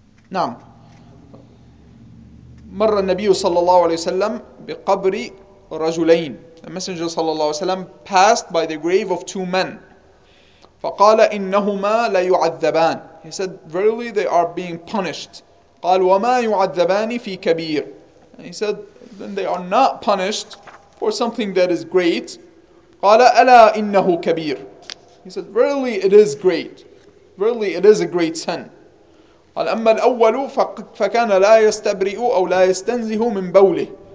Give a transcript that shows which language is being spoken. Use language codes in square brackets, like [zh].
[ar] نعم. مر النبي صلى الله عليه وسلم بقبر رجلين. [en] The messenger صلى الله عليه وسلم passed by the grave of two men. [ar] فقال إنهما لا يعذبان. [en] He said, verily they are being punished. [ar] قال وما يعذبان في كبير. [en] And he said, then they are not punished for something that is great. [ar] قال ألا إنه كبير. [en] He said, verily it is great. Verily it is a great sin. [ar] قال أما الأول فكان لا يستبرئ أو لا يستنزه من بوله.